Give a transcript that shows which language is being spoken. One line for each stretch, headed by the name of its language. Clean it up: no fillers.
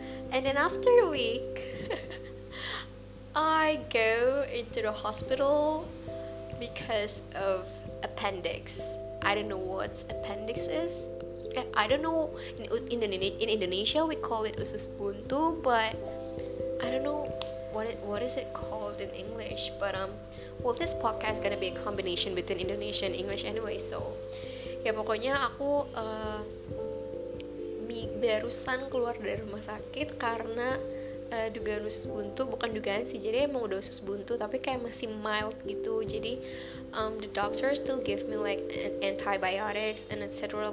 English: And then after a week, I go into the hospital because of appendix. I don't know what appendix is. I don't know, in Indonesia we call it usus buntu, but I don't know what is it called in English. But well, this podcast is gonna be a combination between Indonesian and English anyway.
Indonesian: So ya, pokoknya aku barusan keluar dari rumah sakit karena dugaan usus buntu. Bukan dugaan sih, jadi emang udah usus buntu, tapi kayak masih mild gitu.
English: Jadi the doctor still give me like antibiotics and etc.